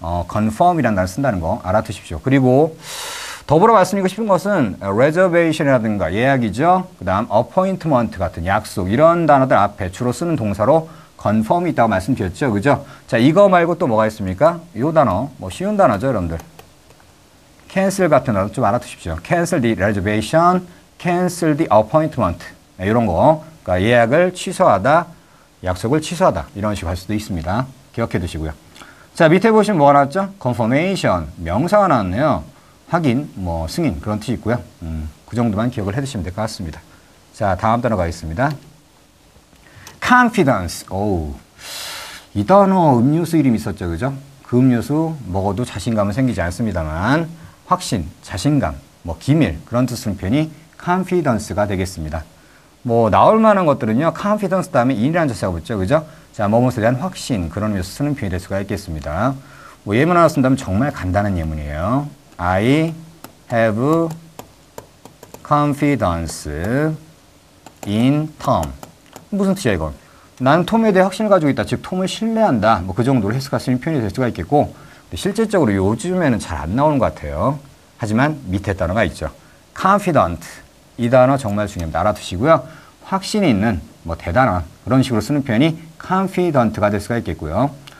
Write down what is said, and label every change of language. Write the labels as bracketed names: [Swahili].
[Korean] Confirm이란 단어 쓴다는 거 알아두십시오. 그리고 더불어 말씀드리고 싶은 것은 reservation이라든가 예약이죠. 그 다음 appointment 같은 약속, 이런 단어들 앞에 주로 쓰는 동사로 confirm이 있다고 말씀드렸죠. 그죠? 자, 이거 말고 또 뭐가 있습니까? 요 단어, 뭐 쉬운 단어죠, 여러분들. cancel 같은 단어 좀 알아두십시오. [English] cancel the reservation, cancel the appointment. [Korean] 이런 거. 그러니까 예약을 취소하다, 약속을 취소하다. 이런 식으로 할 수도 있습니다. 기억해 두시고요. 자, 밑에 보시면 뭐가 나왔죠? confirmation. 명사가 나왔네요. 확실히 확인, 뭐 승인 그런 뜻이 있고요. 그 정도만 기억을 해두시면 될 것 같습니다. 자, 다음 단어 가겠습니다. [English] Confidence. 오우. [Korean] 이 단어 음료수 이름이 있었죠. 그죠? 그 음료수 먹어도 자신감은 생기지 않습니다만 확신, 자신감, 뭐 기밀 그런 뜻으로 표현이 Confidence가 되겠습니다. 뭐 나올 만한 것들은요. Confidence 다음에 in이라는 자세가 붙죠. 그죠? 자, 무엇에 대한 확신 그런 음료수 쓰는 표현이 될 수가 있겠습니다. 뭐 예문 하나 쓴다면 정말 간단한 예문이에요. [English] I have confidence in Tom. [Korean] 무슨 뜻이야 이건? 나는 톰에 대해 확신을 가지고 있다. 즉 톰을 신뢰한다. 뭐 그 정도로 해석할 수 있는 표현이 될 수가 있겠고 근데 실제적으로 요즘에는 잘 안 나오는 것 같아요. 하지만 밑에 단어가 있죠. [English] Confident. [Korean] 이 단어 정말 중요합니다. 알아두시고요. 확신이 있는 뭐 대단한 그런 식으로 쓰는 표현이 Confident가 될 수가 있겠고요.